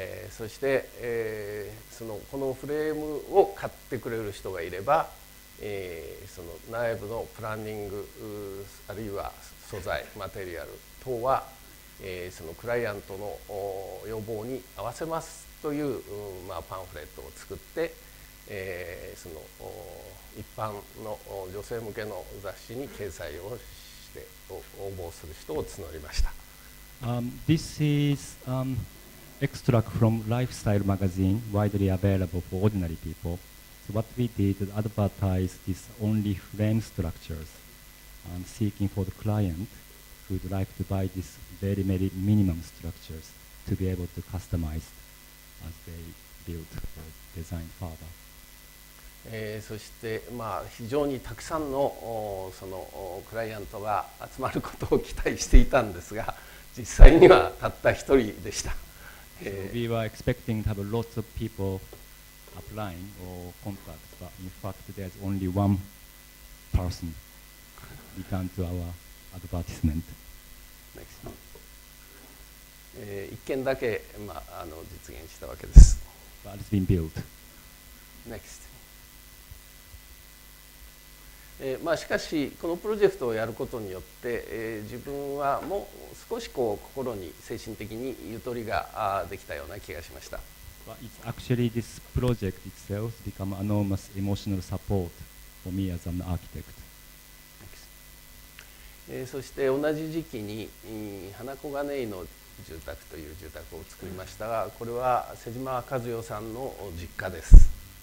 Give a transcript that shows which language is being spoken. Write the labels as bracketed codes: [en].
[ja] そして、このフレームを買ってくれる人がいれば、その内部のプランニングあるいは素材マテリアル等はそのクライアントの要望に合わせますという、パンフレットを作って、その一般の女性向けの雑誌に掲載をして応募する人を募りました。 [en] This is extract from lifestyle magazine widely available for ordinary people. So what we did is advertise this only frame structures seeking for the client. Would like to buy this very, very minimum structures to be able to customize as they build or design further. [ja] そして、非常にたくさんのそのクライアントが集まることを期待していたんですが、実際にはたった一人でした。 [en] So、we were expecting to have lots of people applying or contact, but in fact, there's only one person return to our. Advertisement. Next. [ja] 一件だけ、実現したわけです。 [en] But it's been built. Next. [ja] しかしこのプロジェクトをやることによって、自分はもう少しこう心に精神的にゆとりができたような気がしました。 [en] But it's actually this project itself become enormous emotional support for me as an architect. [ja] そして同じ時期に花小金井の住宅という住宅を作りましたが、これは瀬島和代さんの実家です。